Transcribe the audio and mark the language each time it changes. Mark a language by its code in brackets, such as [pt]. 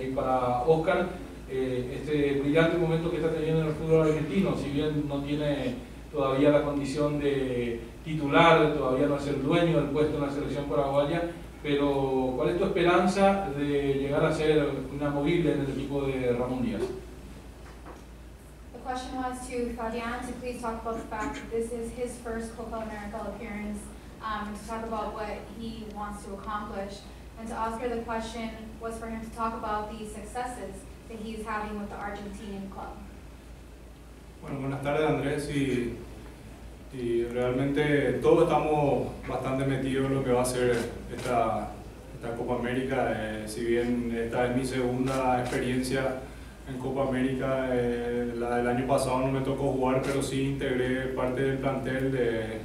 [es] Y para Oscar, este brillante momento que está teniendo en el fútbol argentino, si bien no tiene todavía la condición de titular, todavía no es el dueño del puesto en la selección paraguaya, pero ¿cuál es tu esperanza de llegar a ser inamovible en el equipo de Ramón Díaz? [en] The question was to Fabián to please talk about the fact that this is his first Copa America appearance, to talk about what he wants to accomplish. And to Oscar, the question was for him to talk about the successes that he's having with the Argentinian club. [es] Bueno, buenas tardes, Andrés. Y realmente todos estamos bastante metidos en lo que va a ser esta Copa América. Si bien esta es mi segunda experiencia en Copa América, la del año pasado no me tocó jugar, pero sí integré parte del plantel.